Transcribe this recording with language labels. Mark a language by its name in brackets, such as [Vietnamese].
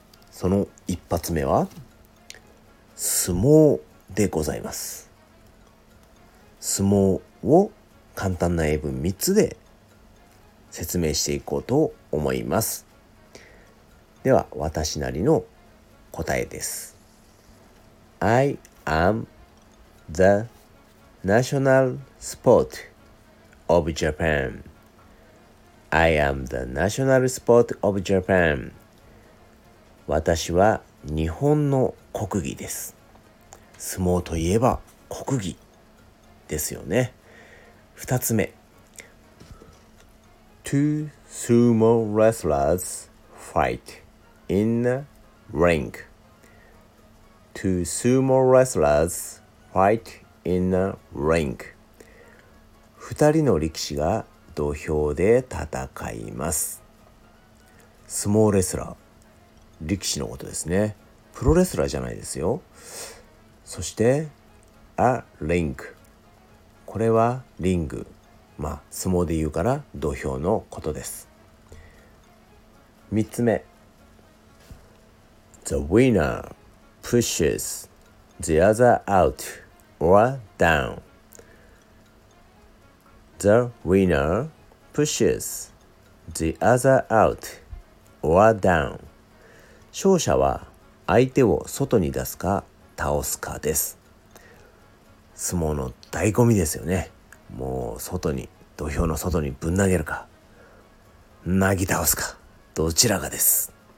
[Japanese] その一発目は相撲でございます。相撲を簡単な英文3つで説明していこうと思います。では私なりの答えです。 [English] I am the national sport of Japan. I am the national sport of Japan. [Japanese] 私は日本の国技です。相撲といえば国技ですよね。 [English] 二つ目、Two sumo wrestlers fight in the ring. Two sumo wrestlers fight in the ring. [Japanese] 二人の力士が土俵で戦います。スモーレスラー、力士のことですね。プロレスラーじゃないですよ。そして、 [English] a ring。 [Japanese] これはリング。まあ、相撲で言うから土俵のことです。 3つ目。 [English] The winner pushes the other out or down. The winner pushes the other out or down. [Japanese] 勝者は相手を外に出すか倒すかです。相撲の醍醐味ですよね。もう外に、土俵の外にぶん投げるか、投げ倒すか、どちらかです。